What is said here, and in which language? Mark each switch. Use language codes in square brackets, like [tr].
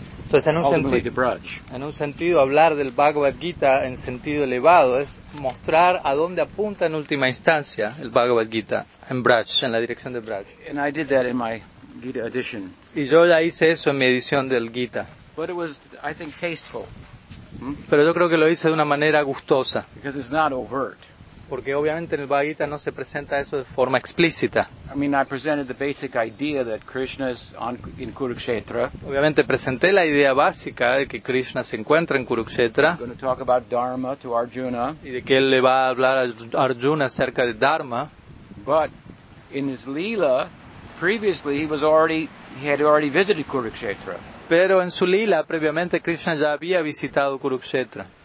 [es] Entonces, en un sentido, hablar del Bhagavad Gita en sentido elevado es mostrar a dónde apunta en última instancia el Bhagavad Gita en Braj, en la dirección de Braj. [en] And I did that in my Gita edition. [es] Y yo ya hice eso en mi edición del Gita. [en] But it was, I think, tasteful. [es] Pero yo creo que lo hice de una manera gustosa. [en] Because it's not overt. [es] Porque obviamente en el Bhagavad Gita no se presenta eso de forma explícita. [en] I mean, I presented the basic idea that Krishna is in Kurukshetra. [es] Obviamente presenté la idea básica de que Krishna se encuentra en Kurukshetra. [en] Going to talk about Dharma to Arjuna. [es] Y de que él le va a hablar a Arjuna acerca de Dharma. [en] But in his lila, previously he had already visited Kurukshetra. [es] Pero en su lila previamente Krishna ya había visitado Kurukshetra.